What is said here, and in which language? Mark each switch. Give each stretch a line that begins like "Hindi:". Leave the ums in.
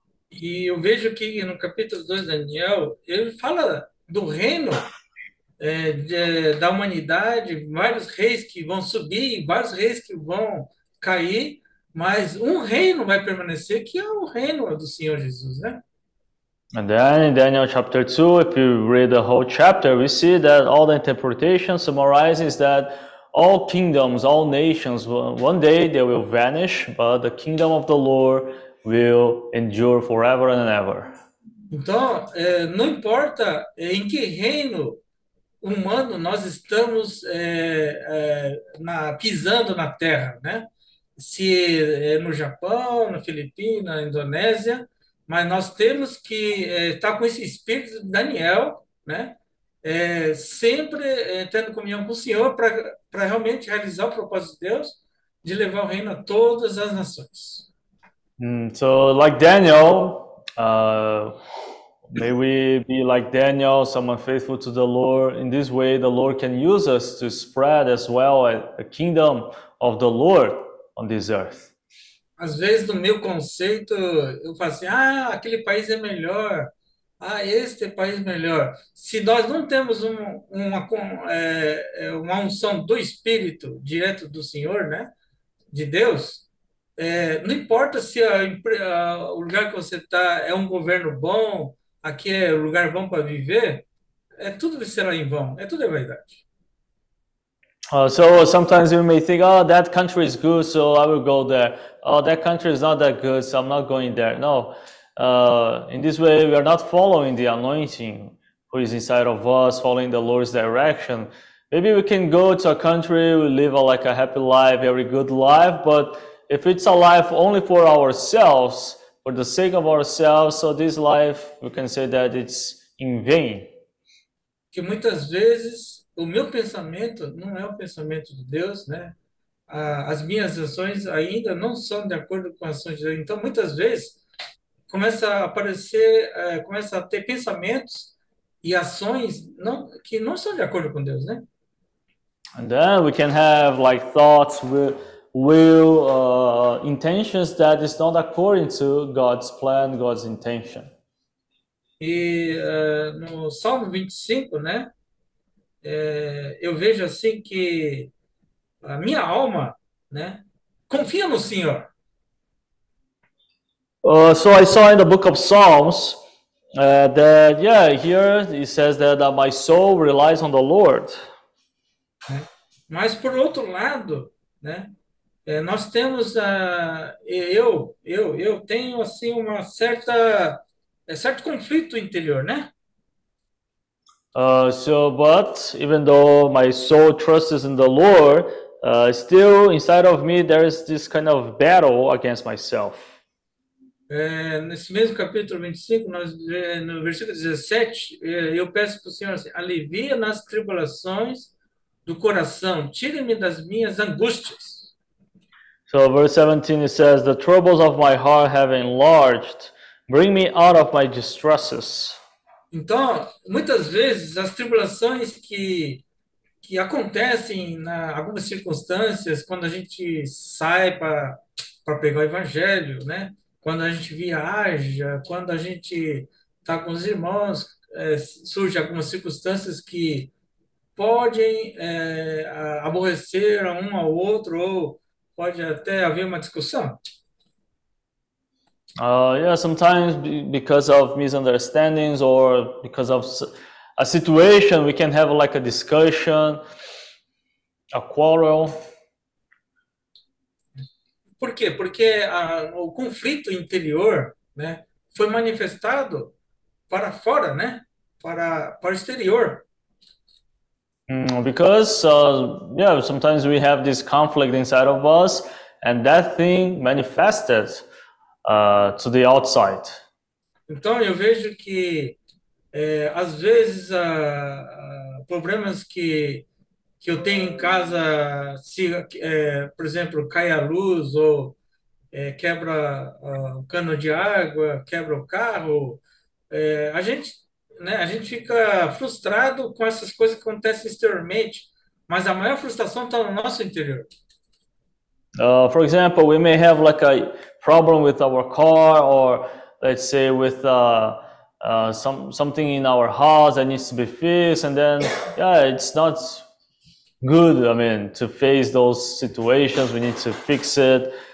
Portuguese: e eu vejo que no capítulo 2 de Daniel, ele fala do reino eh, de, da humanidade, vários reis que vão subir, vários reis que vão cair, mas um reino vai permanecer, que é o reino do Senhor Jesus, né?
English: And then in Daniel chapter 2, if you read the whole chapter, we see that all the interpretation summarizes that all kingdoms, all nations, one day they will vanish, but the kingdom of the Lord will endure forever and ever.
Portuguese: Então, é, não importa em que reino humano nós estamos é, é, na, pisando na terra, né? Se é no Japão, na Filipina, na Indonésia, mas nós temos que estar tá com esse espírito de Daniel, né? é, sempre é, tendo comunhão com o Senhor para realmente realizar o propósito de Deus de levar o reino a todas as nações.
English: Então, so, like Daniel, uh, may we be like Daniel, someone faithful to the Lord. In this way, the Lord can use us to spread as well a kingdom of the Lord on this earth.
Portuguese: Às vezes, no meu conceito, eu falo assim: ah, aquele país é melhor. Ah, este país melhor. Se nós não temos um, uma, é, uma, unção do Espírito direto do Senhor, né? de Deus, é, não importa se a, a, o lugar que você está é um governo bom, aqui é o um lugar bom para viver, é tudo será em vão, é tudo é verdade.
English: Uh, so sometimes you may think, oh, that country is good, so I will go there. Oh, that country is not that good, so I'm not going there. No. Uh, in this way we are not following the anointing who is inside of us following the lord's direction maybe we can go to a country we live a, like a happy life very good life but if it's a life only for ourselves for the sake of ourselves so this life we can say that it's in vain
Portuguese: que muitas vezes o meu pensamento não é o pensamento de Deus, né? Uh, as minhas ações ainda não são de acordo com ações de Deus. Então, muitas vezes, começa a aparecer, uh, começa a ter pensamentos e ações não, que não são de acordo com Deus, né?
English: And then we can have like thoughts, will, uh, intentions that is not according to God's plan, God's intention.
Portuguese: E uh, no Salmo 25, né? eu vejo assim que a minha alma, né? Confia no Senhor.
English: Uh, so I saw in the book of Psalms uh, that, yeah, here it says that, that my soul relies on the Lord.
Portuguese: Mas por outro lado, né, nós temos a eu, eu, eu tenho assim uma certa certo conflito interior, né?
English: so, but even though my soul trusts in the Lord, uh, still inside of me there is this kind of battle against myself.
Portuguese: É, nesse mesmo capítulo 25, nós, é, no versículo 17, é, eu peço para o Senhor assim, alivia nas tribulações do coração, tire-me das minhas angústias.
English: So, verse 17, it says, The troubles of my heart have enlarged. Bring me out of my distresses.
Portuguese: Então, muitas vezes, as tribulações que, que acontecem em algumas circunstâncias, quando a gente sai para pegar o evangelho, né? quando a gente viaja, quando a gente está com os irmãos, é, surge algumas circunstâncias que podem é, aborrecer um ao ou outro, ou pode até haver uma discussão.
English: Uh, yeah, sometimes because of misunderstandings or because of a situation, we can have like a discussion, a quarrel.
Portuguese: Por quê? Porque uh, o conflito interior né, foi manifestado para fora, né? Para, para o exterior.
English: Because, uh, yeah, sometimes we have this conflict inside of us and that thing manifested uh, to the outside.
Portuguese: Então, eu vejo que eh, às vezes uh, problemas que que eu tenho em casa, se, eh, por exemplo, cai a luz ou eh, quebra uh, o um cano de água, quebra o carro, eh, a, gente, né, a gente fica frustrado com essas coisas que acontecem exteriormente, mas a maior frustração está no nosso interior.
English: Uh, for example, we may have like a problem with our car, or let's say with uh, uh, some something in our house that needs to be fixed, and then yeah, it's not good. I mean, to face those situations, we need to fix it.